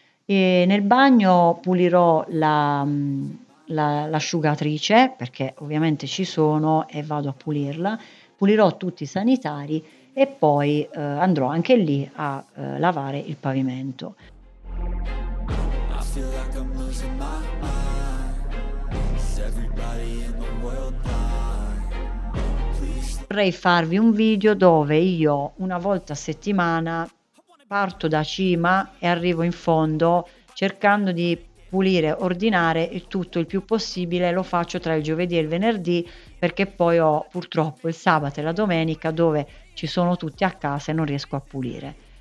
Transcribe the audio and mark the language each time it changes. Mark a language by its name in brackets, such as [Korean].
[Italian] E nel bagno pulirò l'asciugatrice, perché ovviamente ci sono e vado a pulirla, pulirò tutti i sanitari e poi, andrò anche lì a, lavare il pavimento. [English] Feel like I'm losing my mind. Is everybody in the world blind? Please. [Italian] Vorrei farvi un video dove io una volta a settimana parto da cima e arrivo in fondo cercando di pulire, ordinare il tutto il più possibile. Lo faccio tra il giovedì e il venerdì perché poi ho purtroppo il sabato e la domenica dove ci sono tutti a casa e non riesco a pulire.